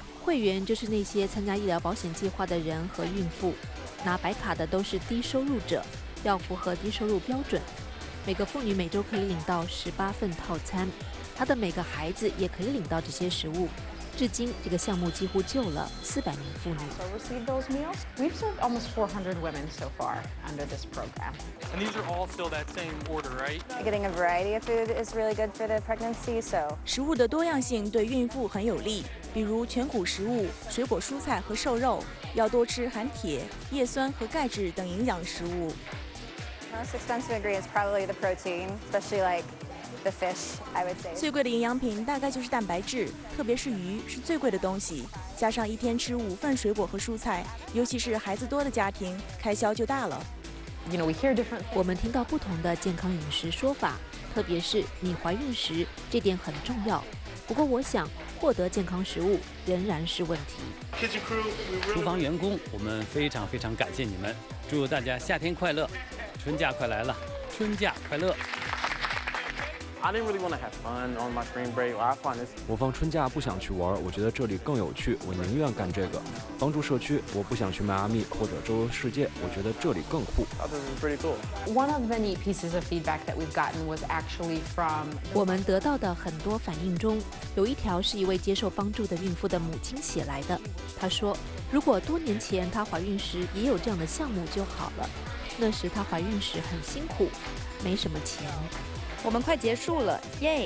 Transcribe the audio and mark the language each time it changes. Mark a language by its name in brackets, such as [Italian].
[Chinese] 会员就是那些参加医疗保险计划的人和孕妇，拿白卡的都是低收入者，要符合低收入标准。每个妇女每周可以领到18份套餐，她的每个孩子也可以领到这些食物。至今，这个项目几乎救了400名妇女。 [English] We've served almost 400 women so far under this program. And these are all still that same order, right? Getting a variety of food is really good for the pregnancy, so. [Chinese] 食物的多样性对孕妇很有利，比如全谷食物、水果、蔬菜和瘦肉，要多吃含铁、叶酸和钙质等营养食物。 [English] Most expensive ingredient is probably the protein, especially like. The fish, I would say. [Chinese] 最贵的营养品大概就是蛋白质，特别是鱼是最贵的东西，加上一天吃5份水果和蔬菜，尤其是孩子多的家庭，开销就大了。 [English] You know, we hear different things. [Chinese] 我们听到不同的健康饮食说法，特别是你怀孕时，这点很重要。不过我想获得健康食物仍然是问题。 [English] Kitchen crew, we really... [Chinese] 厨房员工，我们非常非常感谢你们，祝大家夏天快乐，春假快来了，春假快乐。 [English] I didn't really want to have fun on my spring break. I find this. [Chinese] 我放春假不想去玩，我觉得这里更有趣，我宁愿干这个，帮助社区。我不想去迈阿密或者周游世界，我觉得这里更酷。 [English] This is pretty cool. One of the neat pieces of feedback that we've gotten was actually from. [Chinese] 我们得到的很多反应中，有一条是一位接受帮助的孕妇的母亲写来的。她说，如果多年前她怀孕时也有这样的项目就好了。那时她怀孕时很辛苦，没什么钱。我们快结束了，耶